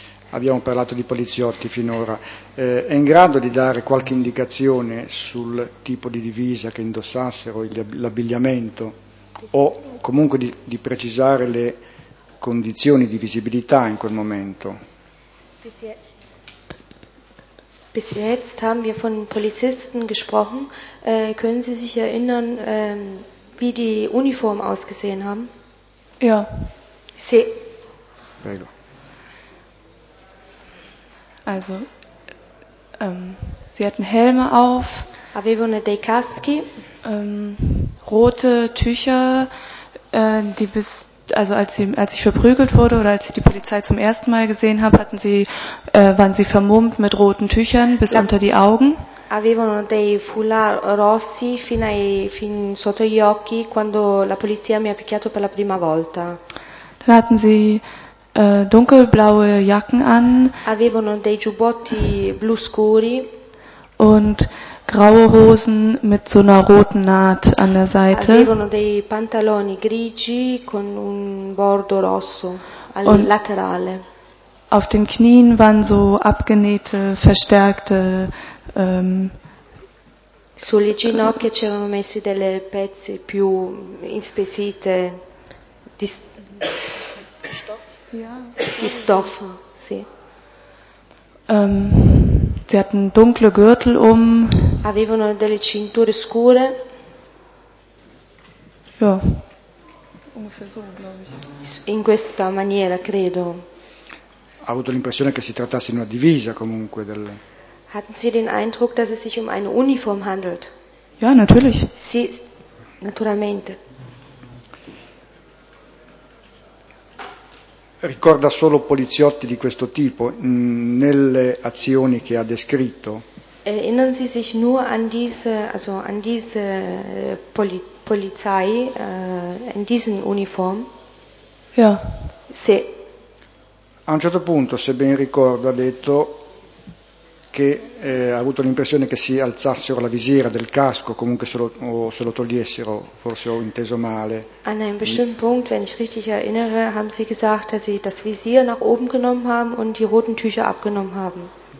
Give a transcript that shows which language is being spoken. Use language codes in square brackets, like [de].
[it] Abbiamo parlato di poliziotti finora. È in grado di dare qualche indicazione sul tipo di divisa che indossassero, l'abbigliamento, o comunque di precisare le condizioni di visibilità in quel momento? [de] Bis jetzt haben wir von Polizisten gesprochen. Können Sie sich erinnern, wie die Uniform ausgesehen haben? Ja. [it] Sì. Prego. [de] Also, sie hatten Helme auf. [it] Avevano dei caschi. [de] Rote Tücher, die bis, also als ich verprügelt wurde oder als ich die Polizei zum ersten Mal gesehen habe, hatten sie, waren sie vermummt mit roten Tüchern bis unter die Augen. [it] Avevano dei foulard rossi fin sotto gli occhi quando la polizia mi ha picchiato per la prima volta. [de] Dann hatten sie dunkelblaue Jacken an. [it] Avevano dei giubbotti blu scuri. [de] Und graue Hosen mit so einer roten Naht an der Seite. [it] Avevano dei pantaloni grigi con un bordo rosso al laterale. [de] Auf den Knien waren so abgenähte, verstärkte [it] sulle ginocchia c'erano messi delle pezze più inspessite di [de] Ja. Stoff, [it] sì. [de] Sie hatten dunkle Gürtel um. [it] Avevano delle cinture scure. [de] Ja. Ungefähr so, glaube ich. [it] In questa maniera, credo. Ha avuto l'impressione che si trattasse di una divisa comunque del. [de] Hatten Sie den Eindruck, dass es sich um eine Uniform handelt? Ja, natürlich. [it] Sì, naturalmente. Ricorda solo poliziotti di questo tipo nelle azioni che ha descritto? [de] Erinnern Sie sich nur an diese, also an diese Polizei, in diesen Uniform? Ja. [it] Sì. A un certo punto, se ben ricordo, ha detto che ha avuto l'impressione che si alzassero la visiera del casco, comunque se lo togliessero, forse ho inteso male. [de] An einem bestimmten Punkt, wenn ich richtig erinnere, haben Sie gesagt, dass Sie das Visier nach oben genommen haben und die roten Tücher abgenommen haben.